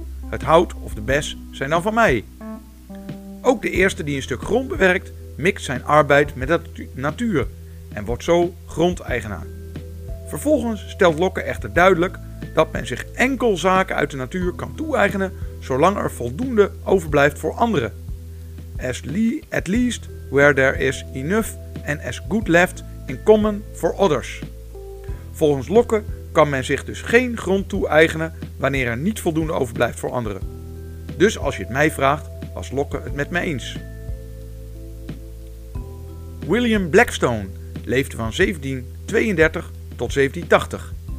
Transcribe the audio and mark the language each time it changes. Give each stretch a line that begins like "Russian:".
Dutch: Het hout of de bes zijn dan van mij. Ook de eerste die een stuk grond bewerkt, mixt zijn arbeid met de natuur en wordt zo grondeigenaar. Vervolgens stelt Locke echter duidelijk dat men zich enkel zaken uit de natuur kan toe-eigenen zolang er voldoende overblijft voor anderen.
English: At least where there is enough and as good left in common for others.
Dutch: Volgens Locke kan men zich dus geen grond toe-eigenen wanneer er niet voldoende overblijft voor anderen. Dus als je het mij vraagt, was Locke het met mij eens. William Blackstone leefde van 1732 tot 1780.